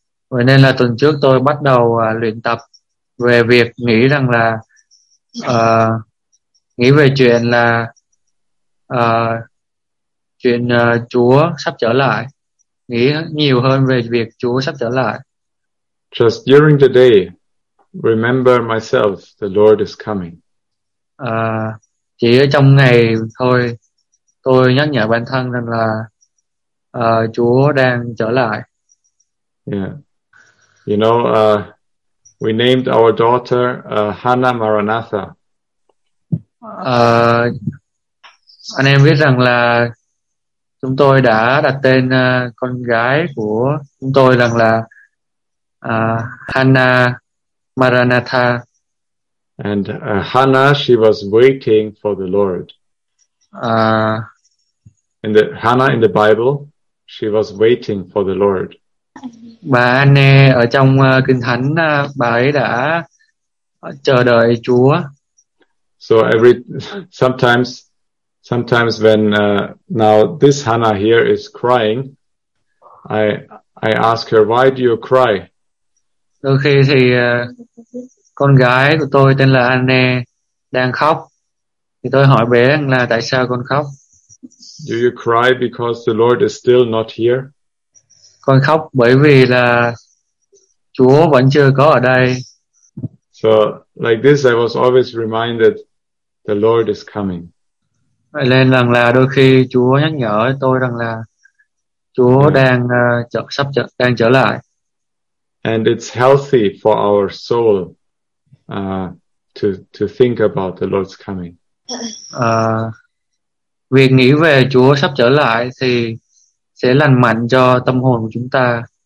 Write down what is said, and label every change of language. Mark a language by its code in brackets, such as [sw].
[vi] Vậy nên là tuần trước tôi bắt đầu luyện tập về việc nghĩ rằng là nghĩ về chuyện là chuyện Chúa sắp trở lại, nghĩ nhiều hơn về việc Chúa sắp trở lại. [en] Just during the day, remember myself, the Lord is coming. [vi] Chỉ ở trong ngày thôi, tôi nhắc nhở bản thân rằng là Chúa đang trở lại. [en] Yeah. You know, we named our daughter Hannah Maranatha. [vi] Anh em biết rằng là chúng tôi đã đặt tên con gái của chúng tôi rằng là Hannah Maranatha. [en] And Hannah, she was waiting for the Lord. Hannah in the Bible, she was waiting for the Lord. [vi] Bà Anne ở trong Kinh Thánh, bà ấy đã chờ đợi Chúa. [en] So sometimes when now this Hannah here is crying, I ask her, why do you cry? [vi] Đôi khi thì con gái của tôi tên là Anne đang khóc, thì tôi hỏi bé là tại sao con khóc? [en] Do you cry because the Lord is still not here? [vi] Con khóc bởi vì là Chúa vẫn chưa có ở đây. [en] So like this, I was always reminded the Lord is coming. [vi] Vậy nên rằng là đôi khi Chúa nhắc nhở tôi rằng là Chúa đang trở lại. [en] And it's healthy for our soul to think about the Lord's coming. [vi] Việc nghĩ về Chúa sắp trở lại thì sẽ lành mạnh cho tâm hồn của chúng ta.